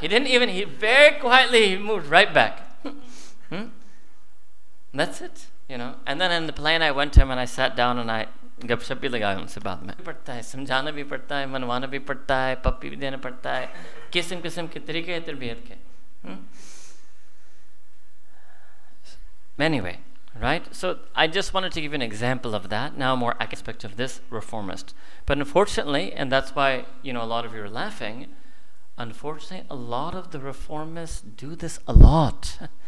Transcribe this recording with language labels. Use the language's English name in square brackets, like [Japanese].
[English] He moved right back. That's it, you know. And then in the plane, I went to him, and I sat down, and I [Urdu] gapshap bhi lagaya unse baad mein. پڑتا ہے، سمجھانا بھی پڑتا ہے، منوانا بھی پڑتا ہے، پپی بھی دینا پڑتا ہے، کسم کسم کے طریقے ہے تربیت کے۔ [English] Anyway, right? So I just wanted to give you an example of that. Now more aspect of this reformist. But unfortunately, and that's why, you know, a lot of you are laughing, unfortunately, a lot of the reformists do this a lot.